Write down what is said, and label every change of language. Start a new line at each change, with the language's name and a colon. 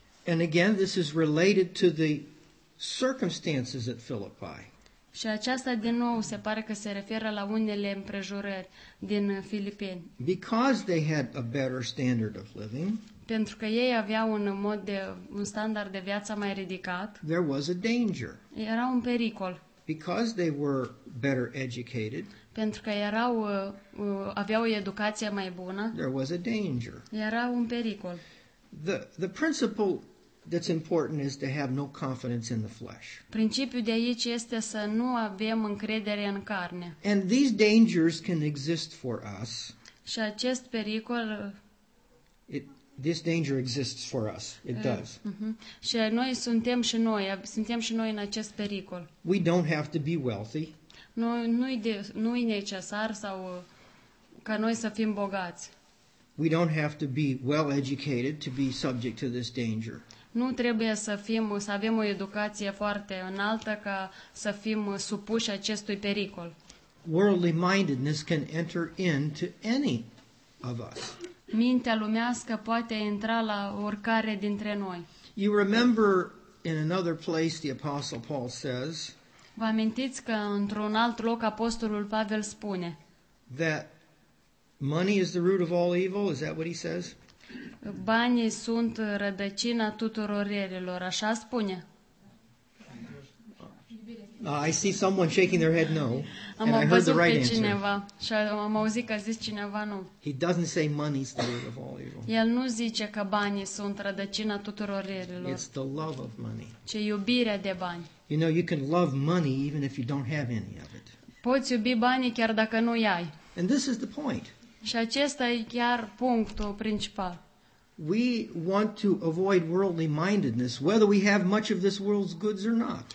English: And again, this is related to the circumstances at Philippi.
Romanian: Și aceasta din nou se pare că se referă la unele împrejurări din Filipeni.
English: Because they had a better standard of living.
Romanian: Pentru că ei aveau un mod de un standard de viață mai ridicat.
English: There was a danger.
Romanian: Era un pericol.
English: Because they were better educated.
Romanian: Pentru că erau aveau o educație mai bună.
English: There was a danger.
Romanian: Era un pericol.
English: The principle that's important is to have no confidence in the flesh.
Romanian: Principiul de aici este să nu avem încredere în carne.
English: And these dangers can exist for us.
Romanian: Și acest pericol
English: This danger exists for us. It does.
Romanian: Și noi suntem și noi, suntem și noi în acest pericol.
English: We don't have to be wealthy.
Romanian: Nu e necesar sau ca noi să fim bogați.
English: We don't have to be well educated to be subject to this danger.
Romanian: Nu trebuie să fim, să avem o educație foarte înaltă ca să fim supuși acestui pericol.
English: Worldly mindedness can enter into any of us.
Romanian: Mintea lumească poate intra la oricare dintre noi.
English: You remember in another place the Apostle Paul says.
Romanian: Vă amintiți că într-un alt loc Apostolul Pavel spune.
English: That money is the root of all evil, is that what he says?
Romanian: Banii sunt rădăcina tuturor relelor, așa spune.
English: I see someone shaking their head no. Am and I heard the right cineva, answer.
Romanian: Și am auzit că zice cineva nu.
English: He doesn't say money's the root of all evil.
Romanian: El nu zice că banii sunt rădăcina tuturor relelor.
English: It's the love of money.
Romanian: Ce iubirea de bani.
English: You know, you can love money even if you don't have any of it.
Romanian: Poți iubi banii chiar dacă nu i-ai.
English: And this is the point.
Romanian: Și acesta e chiar punctul principal.
English: We want to avoid worldly mindedness whether we have much of this world's goods or not.